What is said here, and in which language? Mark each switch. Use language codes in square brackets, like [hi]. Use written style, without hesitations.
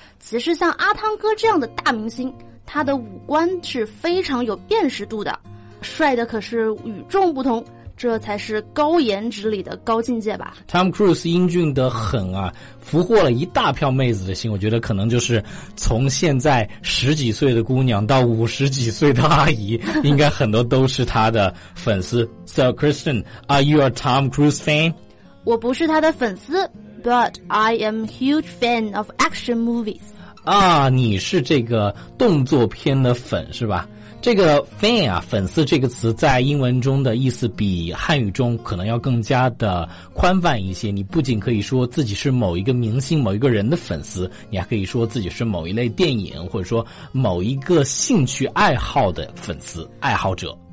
[zh] 其实像阿汤哥这样的大明星，他的五官是非常有辨识度的，帅的可是与众不同，这才是高颜值里的高境界吧。 Tom Cruise 英俊得很啊，俘获了一大票妹子的心，我觉得可能就是从现在十几岁的姑娘到五十几岁的阿姨应该很多都是他的粉丝。 [en] So Kirsten, are you a Tom Cruise fan? [zh] 我不是他的粉丝， [en] But I am huge fan of action movies. [zh] 啊，你是这个动作片的粉是吧？这个 fan 啊，粉丝这个词在英文中的意思比汉语中可能要更加的宽泛一些。你不仅可以说自己是某一个明星、某一个人的粉丝，你还可以说自己是某一类电影或者说某一个兴趣爱好的粉丝、爱好者。